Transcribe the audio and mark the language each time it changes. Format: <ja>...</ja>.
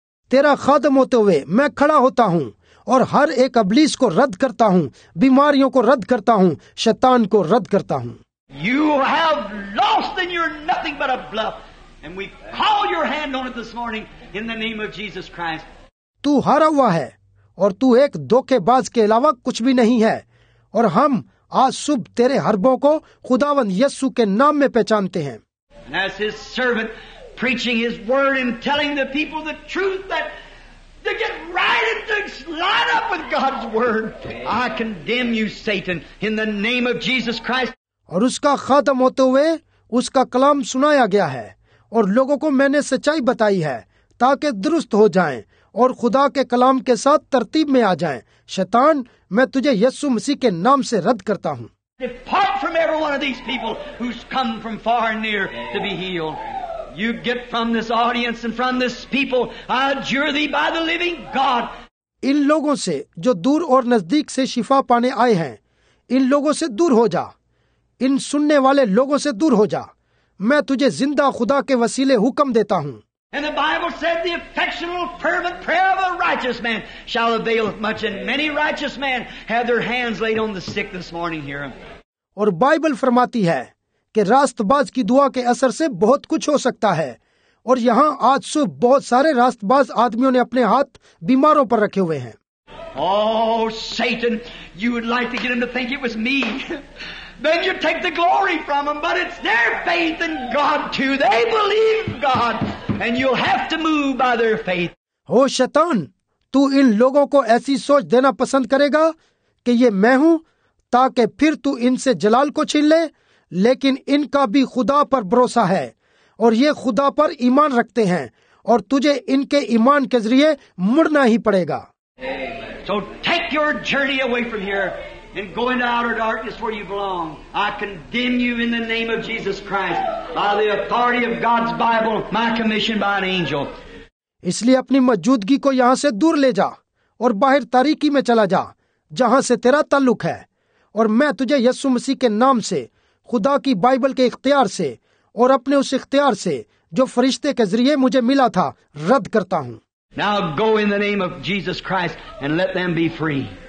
<hi>तेरा खादम होते हुए मैं खड़ा होता हूँ और हर एक अबलीस को रद्द करता हूँ, बीमारियों को रद्द करता हूँ, शैतान को रद्द करता हूँ।</hi> <en>You have lost and you're nothing but a bluff. And we call your hand on it this morning in the name of Jesus Christ.</en> <hi>तू हारा हुआ है और तू एक धोखेबाज के अलावा कुछ भी नहीं है, और हम आज सुबह तेरे हरबों को खुदावन यस्सु के नाम में पहचानते हैं।</hi> <en>And as his servant preaching his word and telling the people the truth that to get right and to line up with God's word, I condemn you, Satan, in the name of Jesus Christ.</en> <hi>और उसका खत्म होते हुए उसका कलाम सुनाया गया है और लोगों को मैंने सच्चाई बताई है ताकि दुरुस्त हो जाएं और खुदा के कलाम के साथ तर्तीब में आ जाएं। शैतान, मैं तुझे यीशु मसीह के नाम से रद्द करता हूँ।</hi> <en>Depart from every one of these people who's come from far and near to be healed. You get from this audience and from this people, I adjure thee by the living God.</en> <hi>इन लोगों से जो दूर और नजदीक से शिफा पाने आए हैं, इन लोगों से दूर हो जा, इन सुनने वाले लोगों से दूर हो जा, मैं तुझे जिंदा खुदा के वसीले हुक्म देता हूँ।</hi> <en>And the Bible said the affectionate, fervent prayer of a righteous man shall avail much. And many righteous men have their hands laid on the sick this morning here.</en> <hi>और बाइबल फरमाती है कि रास्तबाज की दुआ के असर से बहुत कुछ हो सकता है, और यहाँ आज सुबह बहुत सारे रास्तबाज आदमियों ने अपने हाथ बीमारों पर रखे हुए हैं।</hi> <en>Oh Satan, you would like to get him to think it was me. Then you take the glory from them, but it's their faith in God too. They believe God, and you'll have to move by their faith.</en> <hi>ओ शैतान, तू इन लोगों को ऐसी सोच देना पसंद करेगा कि ये मैं हूँ, ताकि फिर तू इनसे जलाल को छीन ले, लेकिन इनका भी खुदा पर भरोसा है और ये खुदा पर ईमान रखते हैं, और तुझे इनके ईमान के जरिए मुड़ना ही पड़ेगा।</hi> <en>So take your journey away from here. And go into outer darkness where you belong. I condemn you in the name of Jesus Christ by the authority of God's Bible, my commission by an angel.</en> <hi>इसलिए अपनी मौजूदगी को यहाँ से दूर ले जा और बाहर तारीकी में चला जा, जहाँ से तेरा ताल्लुक है, और मैं तुझे यीशु मसीह के नाम से, खुदा की बाइबल के इख्तियार से और अपने उस इख्तियार से जो फरिश्ते के जरिए मुझे मिला था, रद्द करता हूँ।</hi> <en>Now go in the name of Jesus Christ and let them be free.</en>